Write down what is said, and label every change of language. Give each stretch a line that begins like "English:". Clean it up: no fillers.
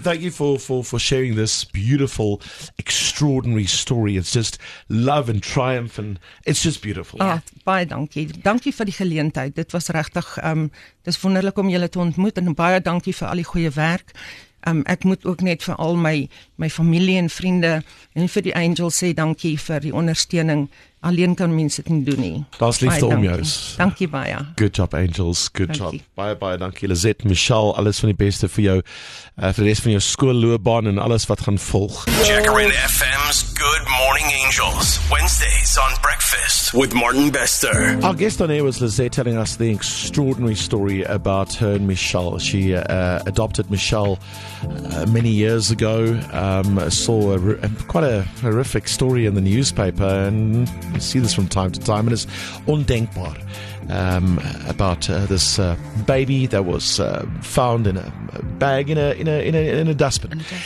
English: Thank you for sharing this beautiful, extraordinary story. It's just love and triumph and it's just beautiful.
Afrikaans: Baie dankie. Dankie vir die geleentheid. Dit was regtig dis wonderlik om julle te ontmoet en baie dankie vir al die goeie werk. Ek moet ook net vir al my familie en vriende en vir die angels sê dankie vir die ondersteuning. Alleen kan mense dit nie doen nie. Daar's liefde om jou. Dankie baie.
English: Good job angels. Good job.
Afrikaans: Bye, dankie Lizette, Michelle, alles van die beste vir jou vir die res van jou skoolloopbaan en alles wat gaan volg.
English: Jacqueline FM's Good Morning Angels. Wednesdays on Breakfast with Martin Bester. Our guest on air was Lizette telling us the extraordinary story about her and Michelle. She adopted Michelle many years ago. Saw quite a horrific story in the newspaper, and you see this from time to time, and it's undenkbar about this baby that was found in a bag in a dustbin.